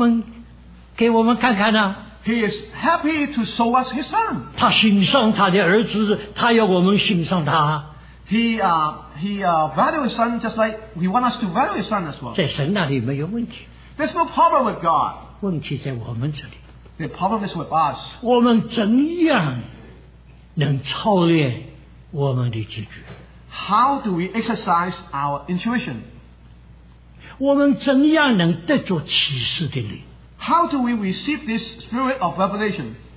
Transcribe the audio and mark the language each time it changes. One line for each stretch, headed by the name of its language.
Chinese: 他乐意要把他的儿子向我们，给我们看看啊。
English: He is happy to show us his son.
Chinese: 他欣赏他的儿子， 他要我们欣赏他。
English: He values his son just like he wants us to value his son as well.
Chinese: 在神那里没有问题。
English: There's no problem with God.
Chinese: 问题在我们这里。
English: The problem is with us.
Chinese: 我们怎样能操练我们的直觉？
English: How do we exercise our intuition?
Chinese: 我们怎样能得着启示的灵？
English: How do we receive this spirit of revelation?